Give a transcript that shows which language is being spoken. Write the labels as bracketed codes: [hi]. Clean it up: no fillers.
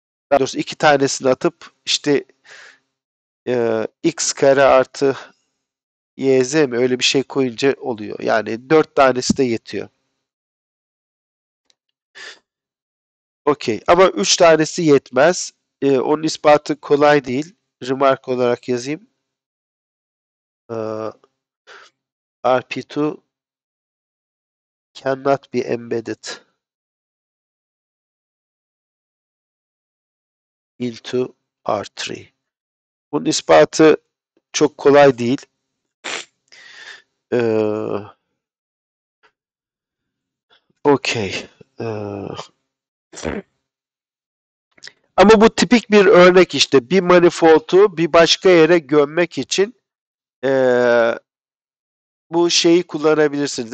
[tr] Daha doğrusu iki tanesini atıp işte x kare artı yz mi öyle bir şey koyunca oluyor. Yani dört tanesi de yetiyor. Okey. Ama üç tanesi yetmez. Onun ispatı kolay değil. Remark olarak yazayım. [en] RP2 cannot be embedded into R3. [tr] Bunun ispatı çok kolay değil. Okey. Ama bu tipik bir örnek işte. Bir manifold'u bir başka yere gömmek için bu şeyi kullanabilirsiniz.